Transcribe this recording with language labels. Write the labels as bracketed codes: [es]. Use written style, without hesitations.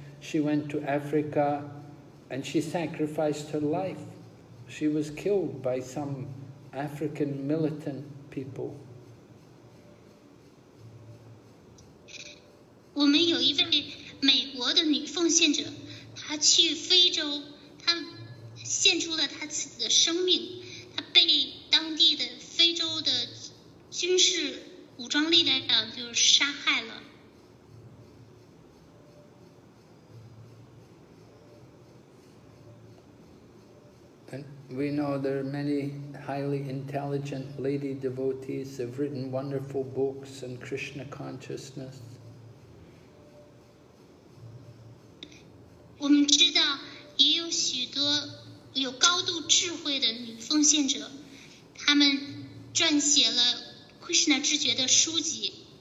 [en] She went to Africa, and she sacrificed her life. She was killed by some African militant people. [zh] 我们有一位美国的女奉献者，她去非洲，她献出了她自己的生命，她被当地的非洲的军事武装力量就是杀害了。 [en] And we know there are many highly intelligent lady devotees have written wonderful books on Krishna consciousness. [zh] 我们知道也有许多有高度智慧的女奉献者，她们撰写了 Krishna 知觉的书籍。